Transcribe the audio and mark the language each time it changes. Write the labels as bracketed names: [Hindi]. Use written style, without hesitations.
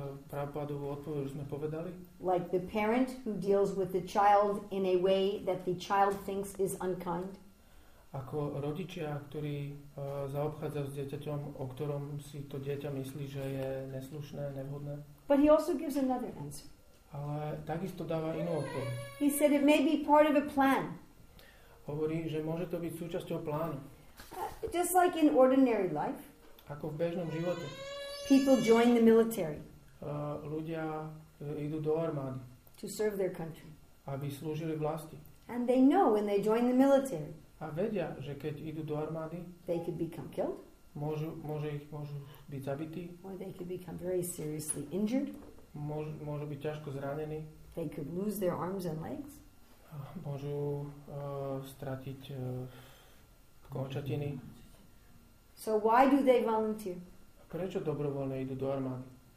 [Slovak] Prabhupádovú odpoveď už sme povedali. [English] Like the parent who deals with the child in a way that the child thinks is unkind. [Slovak] Ako rodičia, ktorí zaobchádza s dieťaťom, o ktorom si to dieťa myslí, že je neslušné, nevhodné. [English] But he also gives another answer. [Slovak] Ale takisto dáva inú odpoveď. [English] He said it may be part of a plan. [Slovak] Hovorí, že môže to byť súčasťou plánu. [English] Just like in ordinary life. [Slovak] Ako v bežnom živote. [English] People join the military. [Slovak] Ľudia idú do armády. [English] To serve their country. [Slovak] Aby slúžili vlasti. [English] And they know when they join the military. [Slovak] A vedia, že keď idú do armády, [English] they could become killed. [Slovak] Môžu byť zabití. [English] Or they could become very seriously injured. [Slovak] Môžu byť ťažko zranení. [English] They could lose their arms and legs. [Slovak] Môžu stratiť končatiny. [English] So why do they volunteer? [Slovak] Prečo dobrovoľne idú do armády?